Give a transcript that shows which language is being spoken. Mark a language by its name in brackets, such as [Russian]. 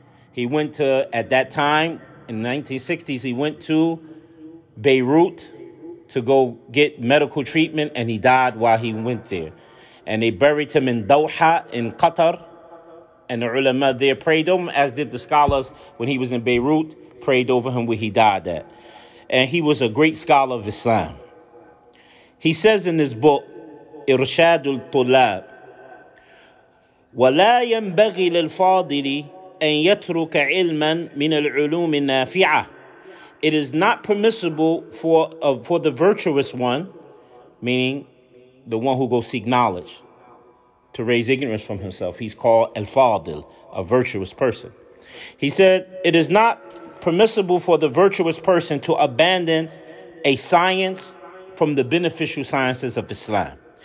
[English] He went to, at that time, in the 1960s, he went to Beirut to go get medical treatment, and he died while he went there. And they buried him in Doha in Qatar, and the ulama there prayed over him, as did the scholars when he was in Beirut, prayed over him where he died at. And he was a great scholar of Islam. He says in his book, [Arabic] Irshadul Tulab, وَلَا يَنْبَغِي لِلْفَاضِلِ أَنْ يَتْرُكَ عِلْمًا مِنَ الْعُلُومِ النَّافِعَةِ. [English] It is not permissible for the virtuous one, meaning the one who goes seek knowledge, to raise ignorance from himself. He's called al-fadil, a virtuous person. He said, it is not permissible for the virtuous person to abandon a science from the beneficial sciences of Islam.